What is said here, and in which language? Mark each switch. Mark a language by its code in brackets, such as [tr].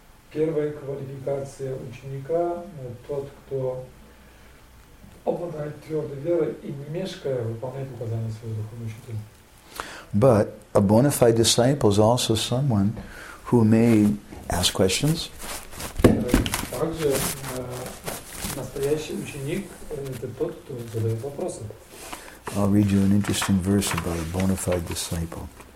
[ru] Первая квалификация ученика – тот, кто обладает твердой верой и не мешкая выполняет указания своего духовного учителя. [en] But a bona fide disciple is also someone who may ask questions. [ru] Также настоящий ученик – это тот, кто задает вопросы. [en] I'll read you an interesting verse about a bona fide disciple.